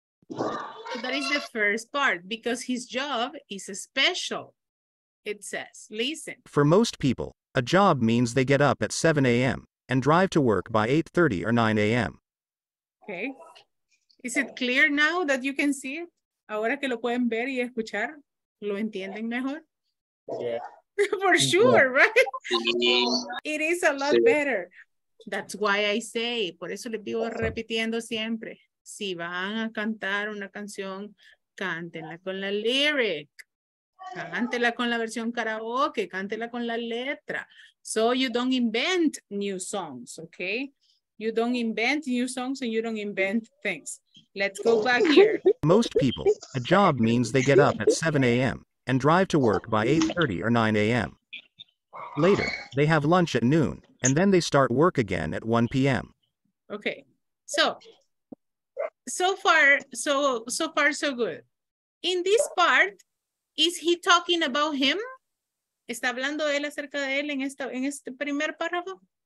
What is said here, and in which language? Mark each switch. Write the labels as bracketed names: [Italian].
[English] So that is the first part because his job is special. It says, listen. For most people, A job means they get up at 7 a.m. and drive to work by 8:30 or 9 a.m. Okay. Is it clear now that you can see it? [Spanish] Ahora que lo pueden ver y escuchar, ¿lo entienden mejor? [English] Yeah. For sure, yeah. Right? It is a lot better. That's why I say, [Spanish] por eso les digo repitiendo siempre, si van a cantar una canción, cántenla con la lyric. Cántela con la versión karaoke, cántela con la letra. [English] So you don't invent new songs, okay? You don't invent new songs and you don't invent things. Let's go back here. Most people, a job means they get up at 7 a.m. and drive to work by 8:30 or 9 a.m. Later, they have lunch at noon and then they start work again at 1 p.m. Okay, so far, so good. In this part, is he talking about him? [Spanish] ¿Está hablando él acerca de él en este primer párrafo?